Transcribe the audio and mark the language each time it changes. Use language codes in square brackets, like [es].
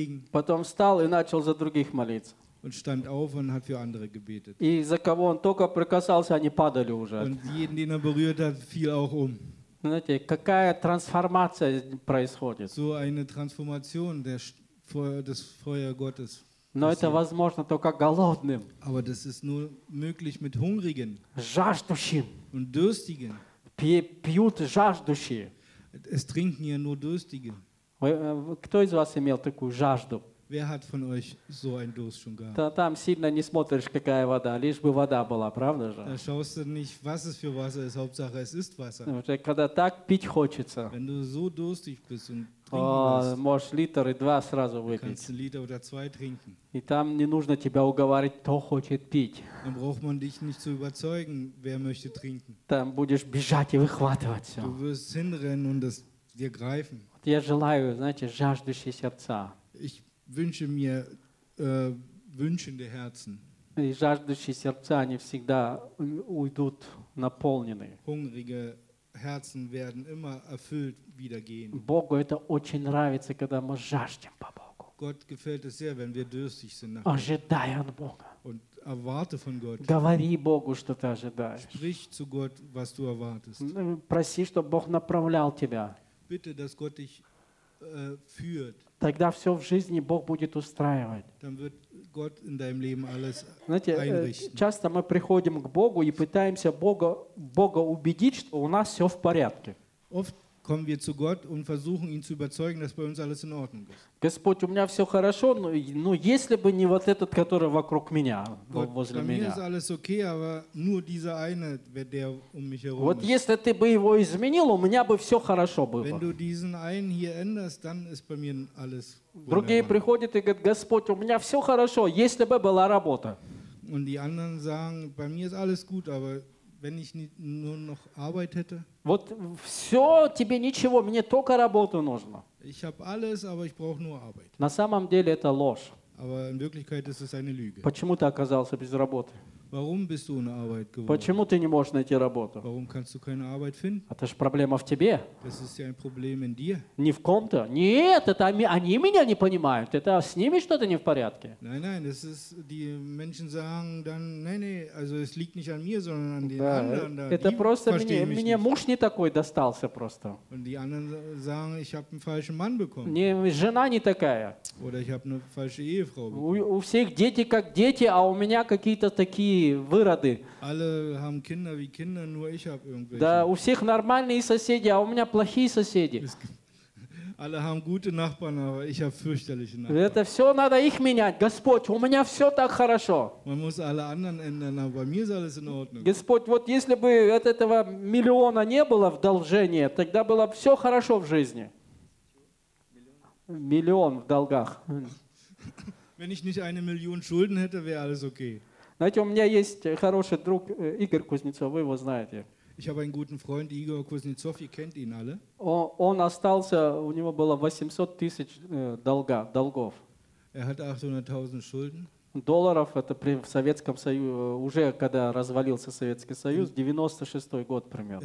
[ru] Потом встал и начал за других молиться. [de] Und stand auf und hat für andere gebetet. [ru] И за кого он только прикасался, они падали уже. [de] Und jeden, den er berührt hat, fiel auch um. [ru] Знаете, какая трансформация происходит. [de] So eine Transformation der das Feuer Gottes. [ru] Но это возможно только голодным. [de] Aber das ist nur möglich mit Hungrigen. [ru] Жаждущим. [de] Und Durstigen. [ru] Пьют жаждущие. [de] Es trinken ja nur Durstige. [ru] Кто из вас имел такую жажду? [de] Wer hat von euch so einen Durst schon gehabt? [ru] Там сильно не смотришь, какая вода, лишь бы вода была, правда же? [de] Da schaust du nicht, was es für Wasser ist, Hauptsache es ist Wasser. [ru] Когда так пить хочется. [de] Wenn du so durstig bist und [ru] Можешь литр и два сразу выпить. Литр [de] oder zwei trinken. [ru] И там не нужно тебя уговаривать, кто хочет пить. [de] Dann braucht man dich nicht zu überzeugen, wer möchte trinken. [ru] Там будешь бежать и выхватывать все. [de] Du wirst hinrennen und das dir greifen. [ru] Вот я желаю, знаете, жаждущие сердца. [de] Ich wünsche mir wünschende Herzen. [ru] И жаждущие сердца, они всегда уйдут наполненные. [de] Hungrige Herzen werden immer erfüllt wieder gehen. [ru] Богу это очень нравится, когда мы жаждем по Богу. [de] Gott gefällt es sehr, wenn wir durstig sind nach Gott. [ru] Ожидай от Бога. [de] Und erwarte von Gott. [ru] Говори Богу, что ты ожидаешь. [de] Sprich zu Gott, was du erwartest. [ru] Проси, чтобы Бог направлял тебя. [de] Bitte, dass Gott dich führt. [ru] Тогда все в жизни Бог будет устраивать. [de] Dann wird Gott in deinem Leben alles einrichten. [ru] Знаете, часто мы приходим к Богу и пытаемся Бога убедить, что у нас все в порядке. [de] Oft kommen wir zu Gott und versuchen ihn zu überzeugen, dass bei uns alles in Ordnung ist. [ru] Господь, у меня все хорошо, но если бы не вот этот, который вокруг меня, [de] Gott, [ru] возле [de] bei [ru] меня. [de] Mir ist alles okay, aber nur dieser eine, der um mich herum [ru] вот [de] ist. [ru] Если ты бы его изменил, у меня бы все хорошо было. [de] Wenn du diesen einen hier änderst, dann ist bei mir alles wunderbar. [ru] Другие приходят и говорят, Господь, у меня все хорошо, если бы была работа. [de] Und die anderen sagen, bei mir ist alles gut, aber wenn ich nur noch Arbeit hätte. [ru] Вот все, тебе ничего, мне только работу нужно. [de] Ich habe alles, aber ich brauche nur Arbeit. [ru] На самом деле это ложь. [de] Aber in Wirklichkeit ist es eine Lüge. [ru] Почему ты оказался без работы? [de] Warum bist du ohne Arbeit geworden? [ru] Почему ты не можешь найти работу? [de] Warum kannst du keine Arbeit finden? [ru] Это же проблема в тебе. [de] Das ist ja ein Problem in dir. [ru] Не в ком-то. Нет, это они меня не понимают. Это с ними что-то не в порядке. [de] Nein, nein, das ist, die Menschen sagen dann, nein, nein, also es liegt nicht an mir, sondern an den anderen. [ru] Да. Это просто мне муж не такой достался просто. [de] Und die anderen sagen, ich habe einen falschen Mann bekommen. [ru] Не, жена не такая. [de] Oder ich habe eine falsche Ehefrau bekommen. [ru] У всех дети как дети, а у меня какие-то такие выроды. [de] Alle haben Kinder wie Kinder, nur ich habe irgendwelche. [ru] Да, у всех нормальные соседи, а у меня плохие соседи. [de] Alle haben gute Nachbarn, aber ich habe fürchterliche Nachbarn. [ru] Это все надо их менять. Господь, у меня все так хорошо. [de] Man muss alle anderen ändern, aber bei mir ist alles in Ordnung. [ru] Господь, вот если бы от этого миллиона не было в должении, тогда было бы все хорошо в жизни. Миллион в долгах. [de] Wenn ich nicht eine Million Schulden hätte, wäre alles okay. [ru] Знаете, у меня есть хороший друг Игорь Кузнецов, вы его знаете. [de] Ich habe einen guten Freund, Igor Kuznetsov, ihr kennt ihn alle. [ru] Он остался, у него было 800 тысяч долгов. [de] Er hat 800.000 Schulden. [ru] Долларов, это в Советском Союзе, уже когда развалился Советский Союз, 96-й год примерно.